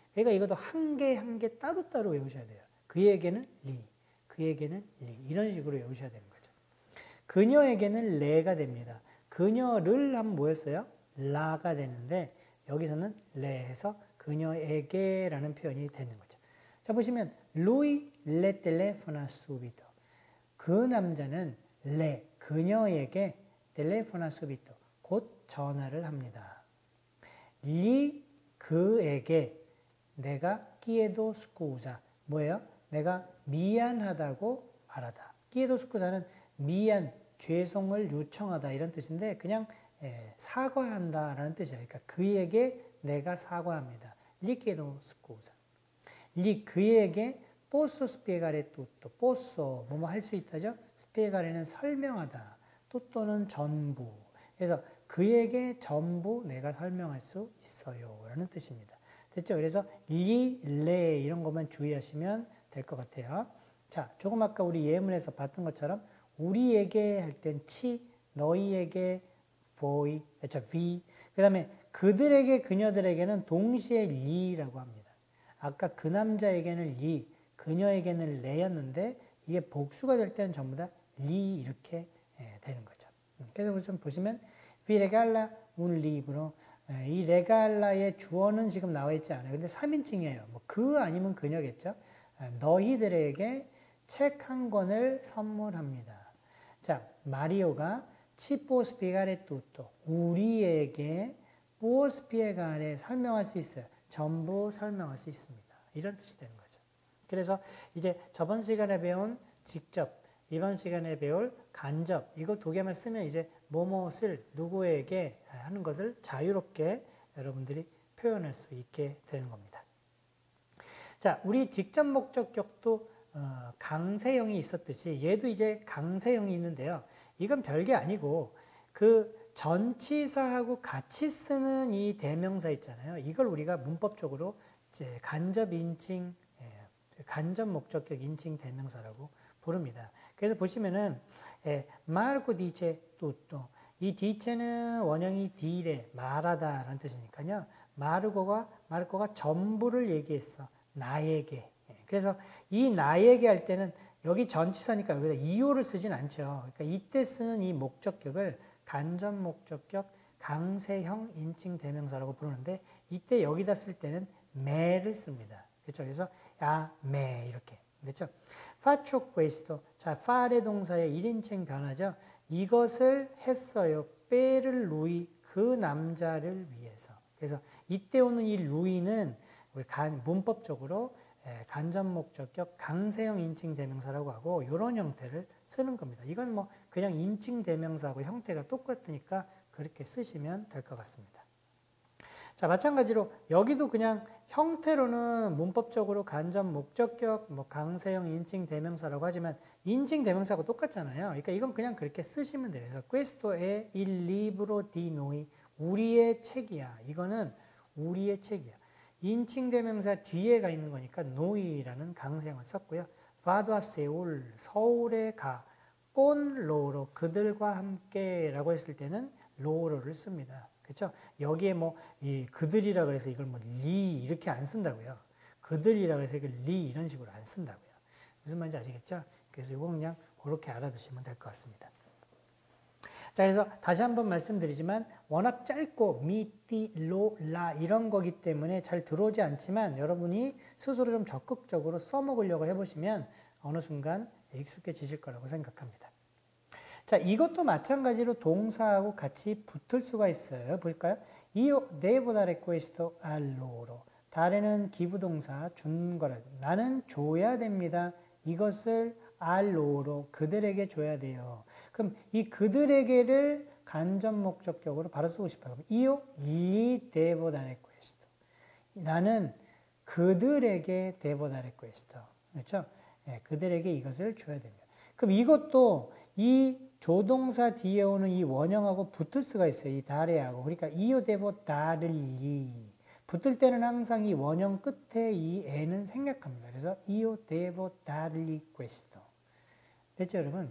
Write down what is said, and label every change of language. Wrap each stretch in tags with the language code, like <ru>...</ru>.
<ko>그러니까 이것도 한개한개 따로따로 외우셔야 돼요. 그에게는 리, 그에게는 리 이런 식으로 외우셔야 되는 거죠. 그녀에게는 레가 됩니다. 그녀를 하면 뭐였어요? 라가 되는데 여기서는 레에서 그녀에게라는 표현이 되는 거죠. 자 보시면</ko> <it>lui le telefona subito.</it> <ko>그 남자는 레 그녀에게</ko> <it>Telefona subito.</it> <ko>곧 전화를 합니다. 리 그에게 내가</ko> <it>chiedo scusa.</it> <ko>뭐예요? 내가 미안하다고 말하다.</ko> <it>Chiedo scusa</it> <ko>는 미안, 죄송을 요청하다 이런 뜻인데 그냥 사과한다라는 뜻이에요. 그러니까 그에게 내가 사과합니다.</ko> <it>리 chiedo scusa. 리 그에게 posso spiegare tutto.</it> <ko>Posso 뭐뭐 할수 있다죠? Spiegare는 설명하다. 또는 전부. 그래서 그에게 전부 내가 설명할 수 있어요라는 뜻입니다. 됐죠? 그래서 li, le 이런 것만 주의하시면 될것 같아요. 자, 조금 아까 우리 예문에서 봤던 것처럼 우리에게 할땐 ci, 너희에게 voi, 그렇죠?</ko> <it>vi.</it> <ko>그다음에 그들에게 그녀들에게는 동시에 li라고 합니다. 아까 그 남자에게는 li, 그녀에게는 le였는데 이게 복수가 될 때는 전부 다 li 이렇게 되는 거죠. 그래서 좀 보시면</ko> <it>vi regala un libro.</it> <ko>이 regala의 주어는 지금 나와 있지 않아요. 근데 3인칭이에요. 뭐그 아니면 그녀겠죠. 너희들에게 책한 권을 선물합니다. 자, 마리오가</ko> <it>ci può spiegare tutto.</it> <ko>우리에게</ko> <it>può spiegare</it> <ko>설명할 수 있어요. 전부 설명할 수 있습니다. 이런 뜻이 되는 거죠. 그래서 이제 저번 시간에 배운 직접 이번 시간에 배울 간접, 이거 두 개만 쓰면 이제 뭐뭇을 누구에게 하는 것을 자유롭게 여러분들이 표현할 수 있게 되는 겁니다. 자, 우리 직접 목적격도 강세형이 있었듯이 얘도 이제 강세형이 있는데요. 이건 별게 아니고 그 전치사하고 같이 쓰는 이 대명사 있잖아요. 이걸 우리가 문법적으로 이제 간접 인칭, 간접 목적격 인칭 대명사라고 부릅니다. 그래서 보시면은</ko> <it>Marco dice tutto.</it> <ko>이 dice는 원형이 dire, 말하다라는 뜻이니까요. Marco가 전부를 얘기했어. 나에게. 그래서 이 나에게 할 때는 여기 전치사니까 여기다 이유를 쓰진 않죠. 그러니까 이때 쓰는 이 목적격을 간접 목적격 강세형 인칭 대명사라고 부르는데 이때 여기다 쓸 때는 me를 씁니다. 그렇죠? 그래서 야, me 이렇게. 그렇죠?</ko> <it>Faccio questo.</it> <ko>자, fare 동사의 1인칭 변화죠. 이것을 했어요.</ko> <it>Per lui,</it> <ko>그 남자를 위해서. 그래서 이때 오는 이 루이는 우리 문법적으로 간접목적격 강세형 인칭대명사라고 하고 이런 형태를 쓰는 겁니다. 이건 뭐 그냥 인칭대명사하고 형태가 똑같으니까 그렇게 쓰시면 될 것 같습니다. 자, 마찬가지로 여기도 그냥 형태로는 문법적으로 간접목적격 뭐 강세형 인칭대명사라고 하지만 인칭대명사하고 똑같잖아요. 그러니까 이건 그냥 그렇게 쓰시면 돼요.</ko> <it>그래서 questo è il libro di noi,</it> <ko>우리의 책이야. 이거는 우리의 책이야. 인칭대명사 뒤에가 있는 거니까 noi라는 강세형을 썼고요.</ko> <it>vado a Seoul,</it> <ko>서울에 가.</ko> <it>con loro,</it> <ko>그들과 함께 라고 했을 때는 loro를 씁니다. 그렇죠? 여기에 뭐 이 그들이라 그래서 이걸 뭐 리 이렇게 안 쓴다고요. 그들이라 그래서 이걸 리 이런 식으로 안 쓴다고요. 무슨 말인지 아시겠죠? 그래서 이거 그냥 그렇게 알아두시면 될 것 같습니다. 자, 그래서 다시 한번 말씀드리지만 워낙 짧고 미, 띠, 로, 라 이런 거기 때문에 잘 들어오지 않지만 여러분이 스스로 좀 적극적으로 써먹으려고 해보시면 어느 순간 익숙해지실 거라고 생각합니다. 자, 이것도 마찬가지로 동사하고 같이 붙을 수가 있어요. 볼까요?</ko> <it>Io devo dare questo a loro.</it> <ko>dare는 기부 동사, 준 거라. 나는 줘야 됩니다. 이것을</ko> <it>a loro,</it> <ko>그들에게 줘야 돼요. 그럼 이 그들에게를 간접 목적격으로 바로 쓰고 싶어요.</ko> <it>Io gli devo dare questo.</it> <ko>나는 그들에게</ko> <it>devo dare questo.</it> <ko>그렇죠? 예, 그들에게 이것을 줘야 됩니다. 그럼 이것도 이 조동사 뒤에 오는 이 원형하고 붙을 수가 있어요. 이 다레하고. 그러니까 이오 데보 다를리. 붙을 때는 항상 이 원형 끝에 이 에는 생략합니다. 그래서 이오 데보 다를리 questo. 됐죠, 여러분?</ko>